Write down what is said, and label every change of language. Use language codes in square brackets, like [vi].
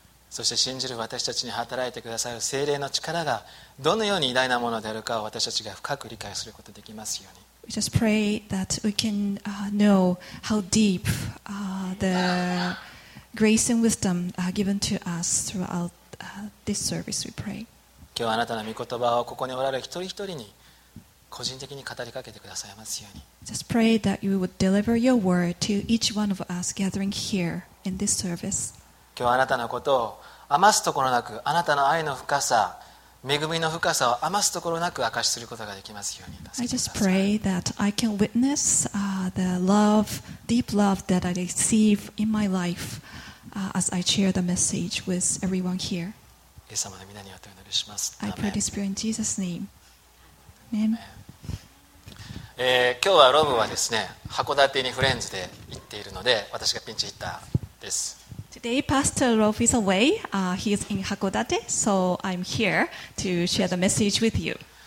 [ja] そして信じる私たちに働いてくださる聖霊の力がどのように偉大なものであるかを私たちが深く理解することができますように。 [en] We just pray that we can know how deep the grace and wisdom given to us throughout this service we pray. [ja] 今日あなたの御言葉をここにおられる一人一人に個人的に語りかけてくださいますように。 [en] Just pray that you would deliver your word to each one of us gathering here in this service. [ja] 今日あなたのことを余すところなく、あなたの愛の深さ、恵みの深さを余すところなく証しすることができますように。 [en] I just pray that I can witness the love, deep love that I receive in my life as I share the message with everyone here. [ja] イエス様の御名によってお祈りします。 [en] I pray this prayer in Jesus' name. [ja] 今日はロブはですね、函館にフレンズで行っているので私がピンチヒッターです。 [en] Today Pastor Rob is away. He is in Hakodate, so I'm here to share the message with you.